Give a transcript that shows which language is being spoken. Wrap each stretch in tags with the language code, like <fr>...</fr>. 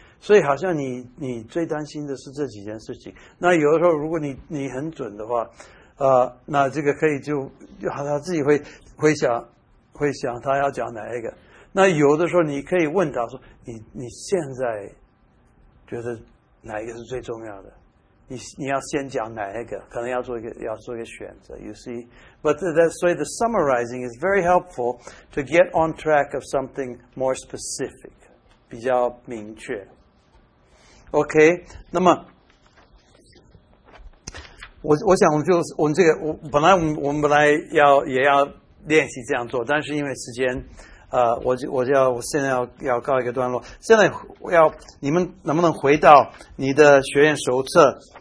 <zh>所以好像你最担心的是这几件事情。那有的时候如果你很准的话，那这个可以就好像自己会想他要讲哪一个。那有的时候你可以问他说你现在觉得哪一个是最重要的？你要先讲哪一个，可能要做一个选择 ，</zh> <en>you see。 But that's why the summarizing is very helpful to get on track of something more specific，</en> <zh>比较明确。 OK， 那么我想就我们这个我们本来也要练习这样做，但是因为时间我现在要告一个段落。现在要你们能不能回到你的学院手册？</zh>